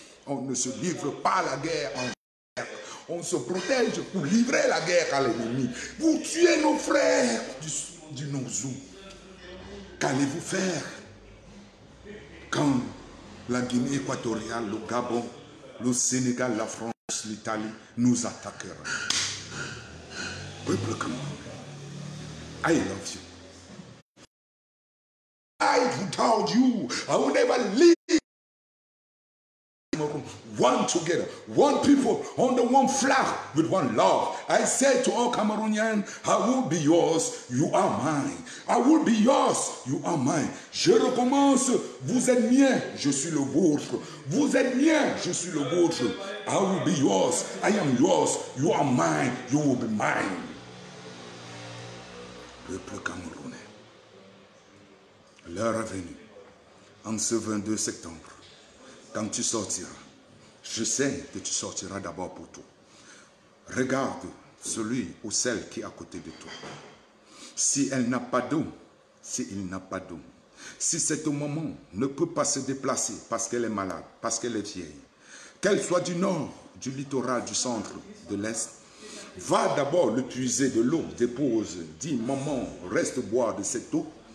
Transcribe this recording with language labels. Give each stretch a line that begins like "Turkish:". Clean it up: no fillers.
French: On ne se livre pas la guerre en. On se protège pour livrer la guerre à l'ennemi. Vous tuez nos frères du Nozou. Qu'allez-vous faire quand la Guinée équatoriale, le Gabon, le Sénégal, la France, l'Italie nous attaqueront? Peuple camerounais,
English: I love you. I without you, I will never leave. One together, one people under one flag with one love. I say to all Cameroonians, I will be yours, you are mine. I will be yours, you are mine.
French: Je recommence, vous êtes mien, je suis le vôtre. Vous êtes mien, je suis le vôtre.
English: I will be yours, I am yours, you are mine, you will be mine.
French: Peuple camerounais, l'heure est venue en ce 22 septembre. Quand tu sortiras, je sais que tu sortiras d'abord pour toi. Regarde celui ou celle qui est à côté de toi. Si elle n'a pas d'eau, si il n'a pas d'eau, si c'est au moment ne peut pas se déplacer parce qu'elle est malade, parce qu'elle est vieille, qu'elle soit du nord, du littoral, du centre, de l'est, va d'abord le puiser de l'eau, dépose, dis maman, reste boire de cette eau.